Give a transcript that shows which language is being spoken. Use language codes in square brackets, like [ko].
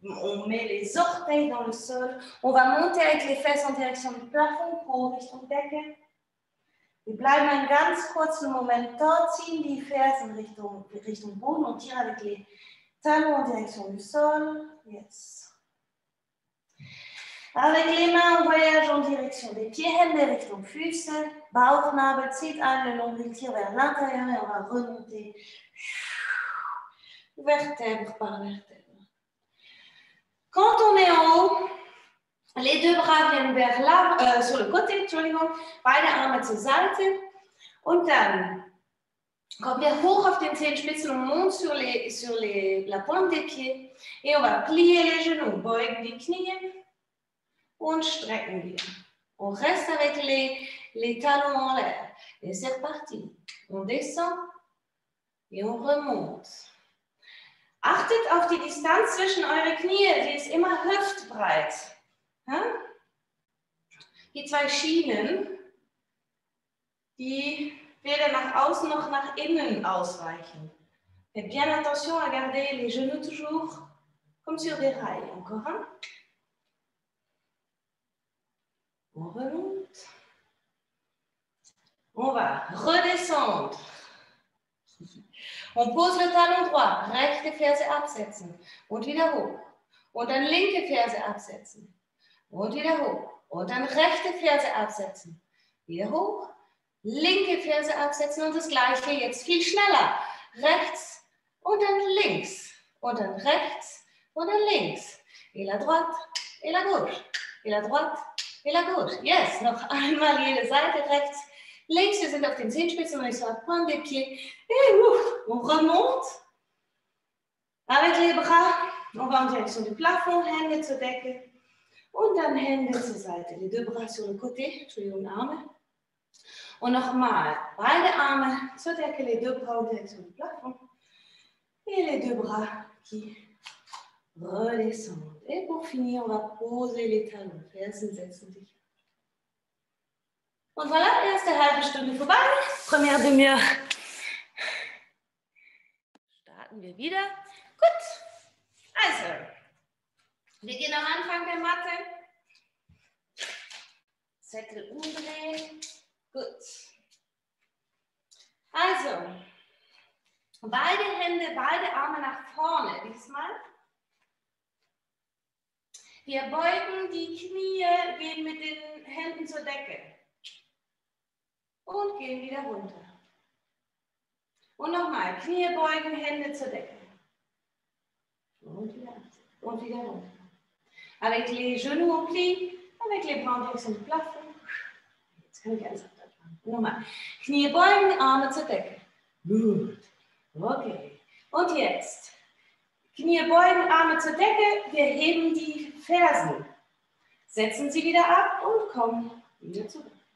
[fr] On met les orteils dans le sol. On va monter avec les fesses en direction du plafond, pour [de] Richtung Decke. Wir bleiben einen ganz kurzen Moment dort, ziehen die Fersen Richtung Boden und [fr] tirer avec les talons en direction du sol. [en] Yes. [fr] Avec les mains, on voyage en direction des pieds, [de] Hände Richtung Füße. Bauchnabel zieht an, [fr] le nombril tire vers l'intérieur et on va remonter. Vertèbre par vertèbre. Quand on est en haut, les deux bras viennent vers là, sur le côté, [de] beide Arme zur Seite. Und dann Kommen wir hoch auf den Zehenspitzen und Mund [fr] sur la pointe des pieds. Et on va plier les genoux, [de] beugen die Knie und strecken wir. [fr] On reste avec les talons en l'air. Et c'est reparti. On descend et on remonte. [de] Achtet auf die Distanz zwischen eure Knie, die ist immer hüftbreit. Die zwei Schienen, die weder nach außen noch nach innen ausweichen. [fr] Faites bien attention à garder les genoux toujours comme sur des rails. Encore un. On remonte. On va redescendre. On pose le talon droit, [de] rechte Ferse absetzen und wieder hoch. Und dann linke Ferse absetzen und wieder hoch. Und dann rechte Ferse absetzen. Wieder hoch, linke Ferse absetzen und das gleiche jetzt viel schneller. Rechts und dann links und dann rechts und dann links. [fr] Et la droite et la gauche. Et la droite et la gauche. [de] Yes, noch einmal jede Seite rechts. Links, wir sind auf den Zehenspitzen und ich sage, [fr] point des pieds. On remonte. Avec les bras. On va en direction du plafond, [de] Hände zur Decke. Und dann Hände zur Seite. [fr] Les deux bras sur le côté. [de] Entschuldigung, Arme. Und nochmal, beide Arme zur Decke. [fr] Les deux bras en direction du plafond. Et les deux bras qui redescendent. Et pour finir, on va poser les talons. [de] Fersen setzen dich. Und voilà, erste halbe Stunde vorbei. [fr] Première demi-heure. [de] Starten wir wieder. Gut. Also, wir gehen am Anfang der Matte. Zettel umdrehen. Gut. Also, beide Hände, beide Arme nach vorne diesmal. Wir beugen die Knie, gehen mit den Händen zur Decke. Und gehen wieder runter. Und nochmal, Knie beugen, Hände zur Decke. Und wieder runter. [fr] Avec les genoux au pli, avec les bras en direction du plafond. [de] Jetzt kann ich alles abdrücken. Nochmal, Knie beugen, Arme zur Decke. Gut. Okay. Und jetzt, Knie beugen, Arme zur Decke. Wir heben die Fersen. Setzen sie wieder ab und kommen wieder zurück.